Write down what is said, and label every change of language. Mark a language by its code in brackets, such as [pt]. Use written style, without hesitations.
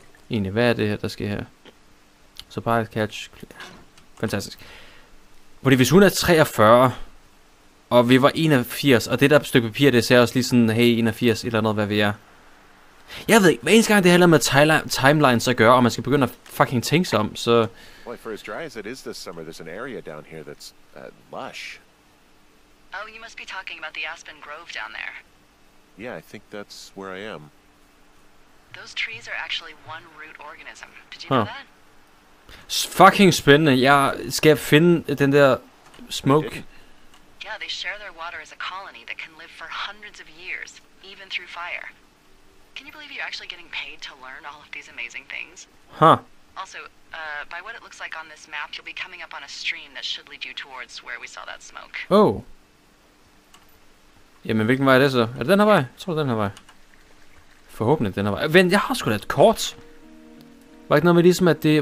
[da] Egentlig, hvad er det her, der sker her? [en] Surprise catch. [da] Fantastisk. Fordi hvis hun er 43, Og vi var 81, og det der stykke papir, det sagde også lige sådan, hey, 81, eller noget, hvad vi er. Jeg ved ikke, hver eneste gang det handler med timeline så gør, og man skal begynde at fucking tænke sig om, så... [en] Well, for as dry as it is this summer, there's an area down here that's, lush. Oh, you must be talking about the Aspen Grove down there. Yeah, I think that's where I am. Those trees are actually one root organism. Did you know that? [da] Fucking spændende. Jeg skal finde den der smoke. [en] Yeah, they share their water as a colony that can live for hundreds of years, even through fire. Can you believe you're actually getting paid to learn all of these amazing things? Huh. Also, by what it looks like on this map, you'll be coming up on a stream that should lead you towards where we saw that smoke. Oh. [da] Jamen, hvilken vej er det så? Er det den her vej? Jeg tror, det er den her vej. Forhåbentlig den her vej. Vent, jeg har sgu da et kort. Var ikke noget med ligesom, at det...